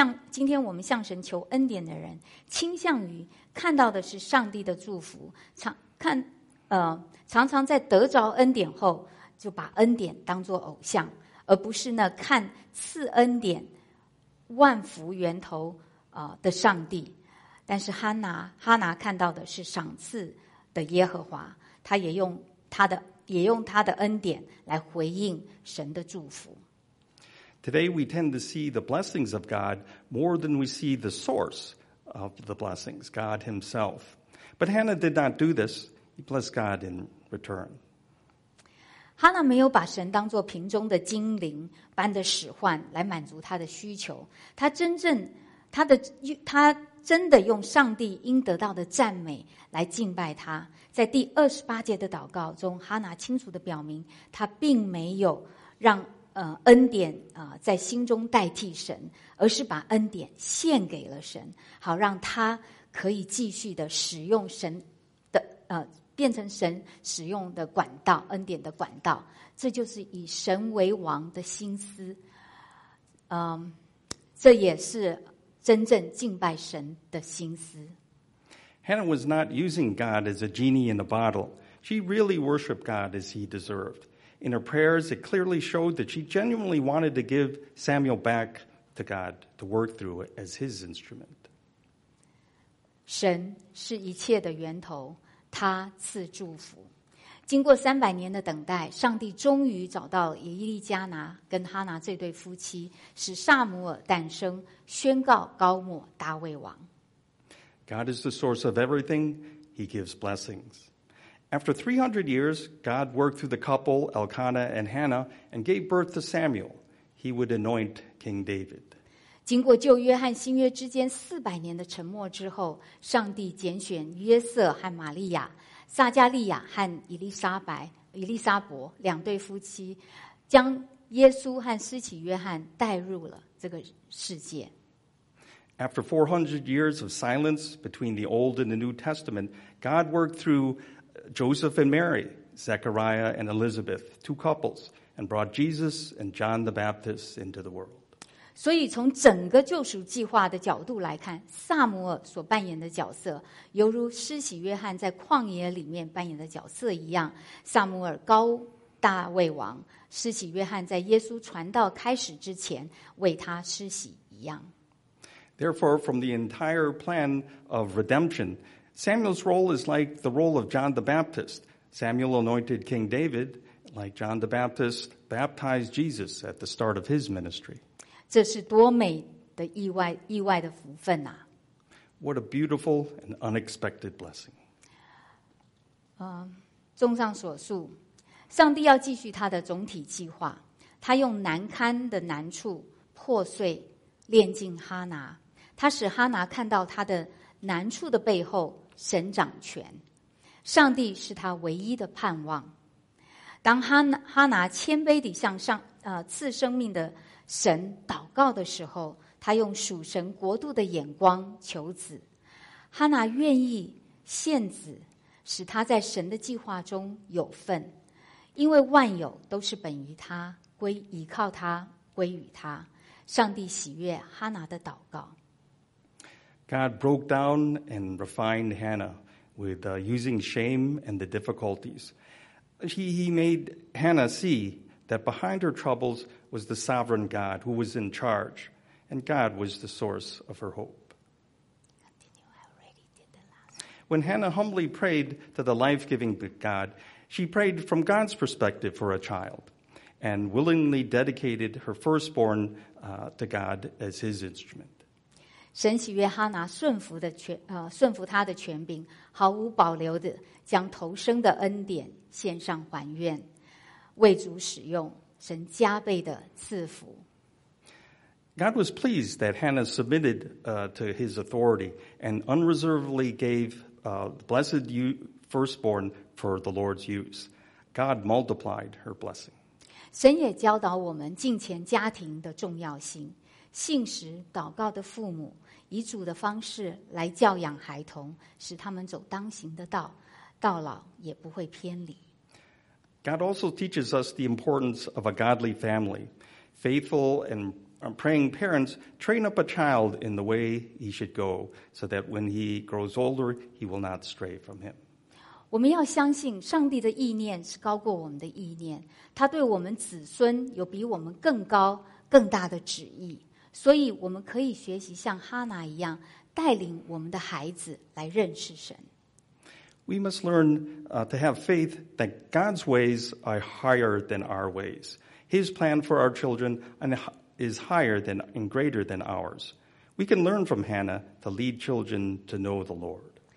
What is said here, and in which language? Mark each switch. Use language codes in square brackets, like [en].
[zh] 今天我们向神求恩典的人，倾向于看到的是上帝的祝福，常常在得着恩典后就把恩典当作偶像，而不是呢看赐恩典万福源头的上帝。但是哈拿看到的是赏赐的耶和华，他也用他的恩典来回应神的祝福。 [en] Today we tend to see the blessings of God more than we see the source. Of the blessings, God Himself. But Hannah did not do this. He blessed God in return. [zh] Hannah 没有把神当作瓶中的精灵般的使唤来满足她的需求。她真的用上帝应得到的赞美来敬拜他。在第二十八节的祷告中，Hannah 清楚地表明，她并没有让恩典在心中代替神，而是把恩典献给了神，好让他可以继续的使用神的变成神使用的管道，恩典的管道。这就是以神为王的心思，这也是真正敬拜神的心思。 [en] Hannah was not using God as a genie in a bottle. She really worshipped God as he deserved. In her prayers, it clearly showed that she genuinely wanted to give Samuel back to God to work through it as his instrument. [zh] 神是一切的源头，他赐祝福。经过三百年的等待，上帝终于找到以利加拿跟哈拿这对夫妻，使撒母耳诞生，宣告高抹大卫王。 [en] God is the source of everything. He gives blessings. After 300 years, God worked through the couple, Elkanah and Hannah, and gave birth to Samuel. He would anoint King David. [zh] 经过旧约和新约之间四百年的沉默之后，上帝拣选约瑟和玛利亚、撒加利亚和伊丽莎伯两对夫妻，将耶稣和施洗约翰带入了这个世界。 [en] After 400 years of silence between the Old and the New Testament, God worked through Joseph and Mary, Zechariah and Elizabeth, two couples, and brought Jesus and John the Baptist into the world. [zh] 所以从整个救赎计划的角度来看，撒母耳所扮演的角色，犹如施洗约翰在旷野里面扮演的角色一样，撒母耳高大卫王，施洗约翰在耶稣传道开始之前为他施洗一样。 [en] Therefore, from the entire plan of redemption, Samuel's role is like the role of John the Baptist. Samuel anointed King David, like John the Baptist baptized Jesus at the start of his ministry. [zh] 这是多美的意外的福分啊。 [en] What a beautiful and unexpected blessing. [zh] 综上所述，上帝要继续他的总体计划，他用难堪的难处破碎炼净哈拿，他使哈拿看到他的难处的背后神掌权，上帝是他唯一的盼望。当哈拿谦卑地向上赐生命的神祷告的时候，他用属神国度的眼光求子，哈拿愿意献子，使他在神的计划中有份，因为万有都是本于他，归依靠他，归于他。上帝喜悦哈拿的祷告。 [en] God broke down and refined Hannah with using shame and the difficulties. He made Hannah see that behind her troubles was the sovereign God who was in charge, and God was the source of her hope. When Hannah humbly prayed to the life-giving God, she prayed from God's perspective for a child and willingly dedicated her firstborn to God as his instrument. [zh] 神喜悦哈拿顺服他的权柄，毫无保留地将投生的恩典献上还愿，为主使用，神加倍的赐福。 [en] God was pleased that Hannah submitted to his authority and unreservedly gave the blessed firstborn for the Lord's use. God multiplied her blessing. [zh] 神也教导我们敬虔家庭的重要性，信实祷告的父母以主的方式来教养孩童，使他们走当行的道，到老也不会偏离。 [en] God also teaches us the importance of a godly family. Faithful and praying parents train up a child in the way he should go, so that when he grows older, he will not stray from him. [zh] 我们要相信上帝的意念是高过我们的意念，他对我们子孙有比我们更高、更大的旨意。所以我们可以学习像哈拿一样带领我们的孩子来认识神。 [en] We must learn to have faith that God's ways are higher than our ways. His plan for our children is higher than and greater than ours. We can learn from Hannah to lead children to know the Lord.